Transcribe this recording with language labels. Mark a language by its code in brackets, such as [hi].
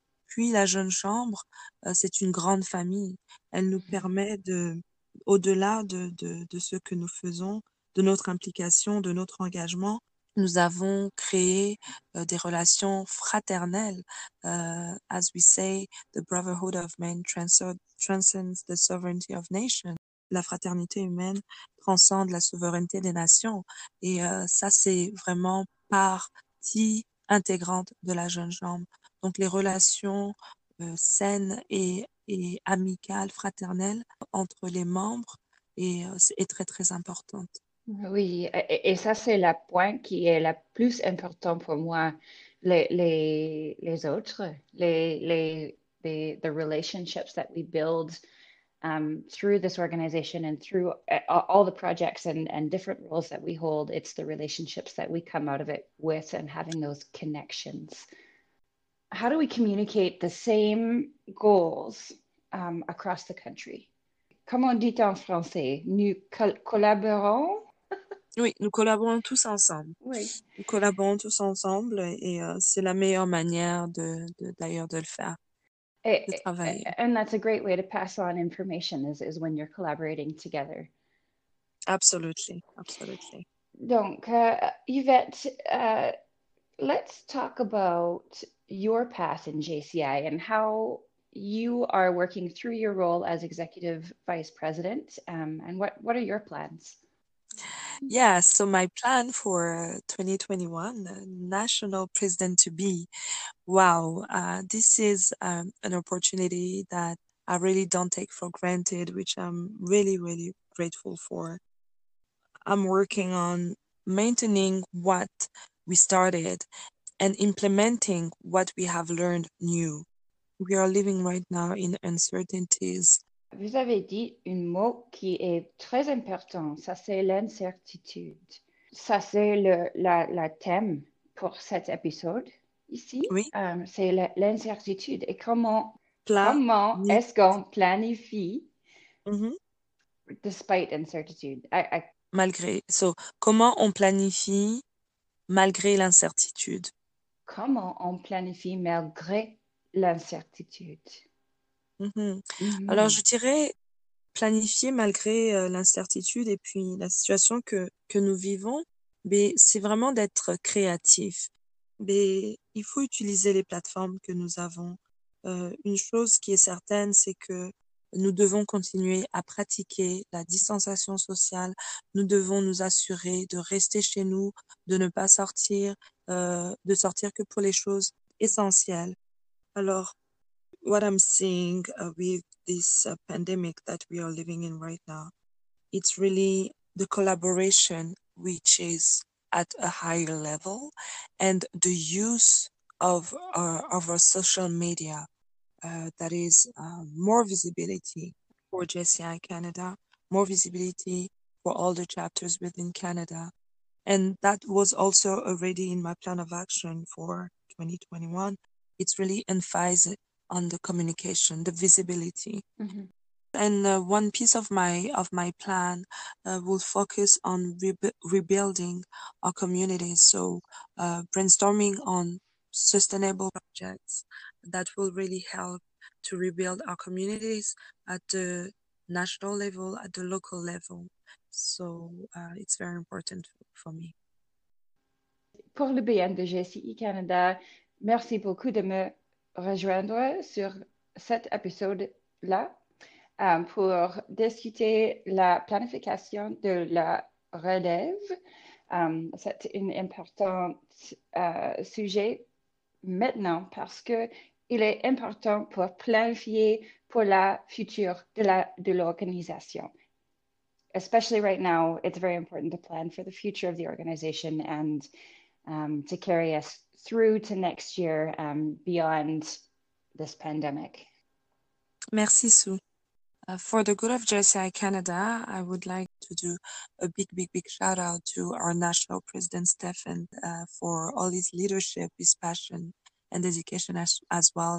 [fr] Puis la jeune chambre, c'est une grande famille. Elle nous permet au-delà de ce que nous faisons, de notre implication, de notre engagement, nous avons créé des relations fraternelles. [en] As we say, the brotherhood of men transcends the sovereignty of nations. [fr] La fraternité humaine transcende la souveraineté des nations. Et ça, c'est vraiment partie intégrante de la jeune chambre. Donc, les relations saines et amicales, fraternelles entre les membres est très, très importante. Oui, et ça, c'est le point qui est le plus important pour moi. Les autres, [en] the relationships that we build through this organization and through all the projects and different roles that we hold, it's the relationships that we come out of it with and having those connections. How do we communicate the same goals across the country? [fr] Comme on dit en français, nous collaborons. Oui, nous collaborons tous ensemble. Oui. Nous collaborons tous ensemble et c'est la meilleure manière d'ailleurs de le faire. [en] And that's a great way to pass on information is when you're collaborating together. Absolutely, absolutely. Donc, Yvette, let's talk about your path in JCI and how you are working through your role as executive vice president and what are your plans? Yeah, so my plan for 2021, national president-to-be, wow, this is an opportunity that I really don't take for granted, which I'm really, really grateful for. I'm working on maintaining what we started and implementing what we have learned new. We are living right now in uncertainties. [fr] Vous avez dit un mot qui est très important, ça c'est l'incertitude. Ça c'est le thème pour cet épisode ici. Oui. C'est l'incertitude. Et comment [en] Plan. [fr] Comment est-ce qu'on planifie despite incertitude? Malgré, so, comment on planifie malgré l'incertitude? Comment on planifie malgré l'incertitude? Alors, je dirais planifier malgré l'incertitude et puis la situation que nous vivons, mais c'est vraiment d'être créatif. Mais il faut utiliser les plateformes que nous avons. Une chose qui est certaine, c'est que nous devons continuer à pratiquer la distanciation sociale. Nous devons nous assurer de rester chez nous, de ne pas sortir, de sortir que pour les choses essentielles. [en] Alors, what I'm seeing with this pandemic that we are living in right now, it's really the collaboration which is at a higher level and the use of our social media. That is more visibility for JCI Canada, more visibility for all the chapters within Canada. And that was also already in my plan of action for 2021. It's really emphasizing on the communication, the visibility. And one piece of my plan will focus on rebuilding our communities. So brainstorming on sustainable projects that will really help to rebuild our communities at the national level, at the local level. So it's very important for me. [fr] Pour le BN de GCI Canada, merci beaucoup de me rejoindre sur cet épisode-là pour discuter la planification de la relève. C'est un important sujet maintenant parce que il est important pour planifier pour la future de l'organisation. [en] Especially right now, it's very important to plan for the future of the organization and to carry us through to next year, beyond this pandemic. [fr] Merci, Sue. [en] For the good of JCI Canada, I would like to do a big shout out to our national president, Stephen, for all his leadership, his passion, and dedication as well.